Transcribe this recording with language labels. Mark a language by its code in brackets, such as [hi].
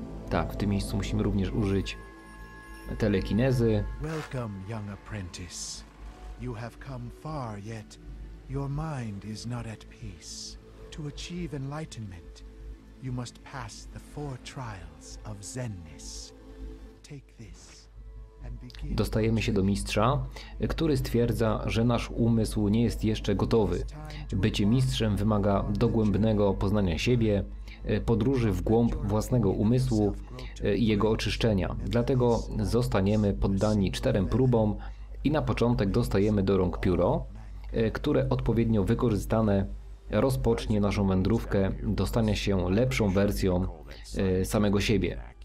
[pl] Tak, w tym miejscu musimy również użyć telekinezy. [en] Welcome, young apprentice. You have come far, yet your mind is not at peace. To achieve enlightenment, you must pass the four trials of Zenness. Take this and begin. [pl] Dostajemy się do mistrza, który stwierdza, że nasz umysł nie jest jeszcze gotowy. Bycie mistrzem wymaga dogłębnego poznania siebie, podróży w głąb własnego umysłu i jego oczyszczenia. Dlatego zostaniemy poddani czterem próbom i na początek dostajemy do rąk pióro, które odpowiednio wykorzystane rozpocznie naszą wędrówkę do stania się lepszą wersją samego siebie.